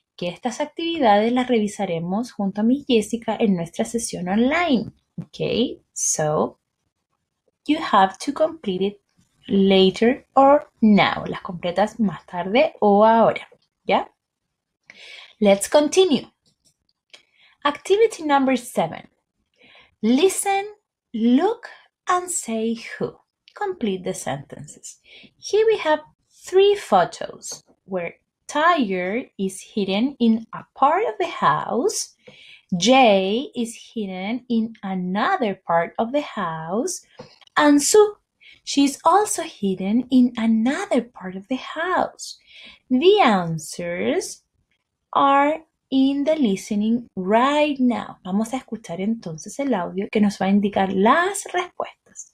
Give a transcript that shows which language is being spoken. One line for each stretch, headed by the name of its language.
Spanish: que estas actividades las revisaremos junto a Miss Jessica en nuestra sesión online.
English: Okay, so you have to complete it later or now.
Spanish: Las completas más tarde o ahora. ¿Ya?
English: Let's continue. Activity number 7. Listen, look, and say who. Complete the sentences. Here we have 3 photos where Tiger is hidden in a part of the house. Jay is hidden in another part of the house. And Sue, she's also hidden in another part of the house. The answers are in the listening right now.
Spanish: Vamos a escuchar entonces el audio que nos va a indicar las respuestas.